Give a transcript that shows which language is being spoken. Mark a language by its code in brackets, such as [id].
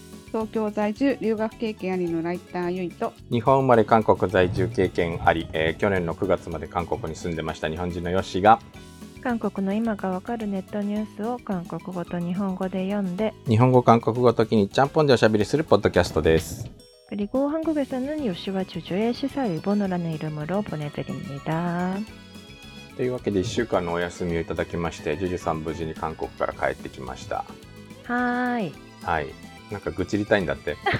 [ja] 東京在住留学経験ありのライターユイと、日本生まれ韓国在住経験あり、去年の9月まで韓国に住んでました日本人のヨシが、韓国の今がわかるネットニュースを韓国語と日本語で読んで、日本語韓国語ときにちゃんぽんでおしゃべりするポッドキャストです。 [ko] 그리고한국에서는요시와주주의시사일본어라는이름으로보내드립니다。 [ja] というわけで1週間のお休みをいただきまして、ジュジュさん無事に韓国から帰ってきました。はい、はい、なんか愚痴りたいんだって。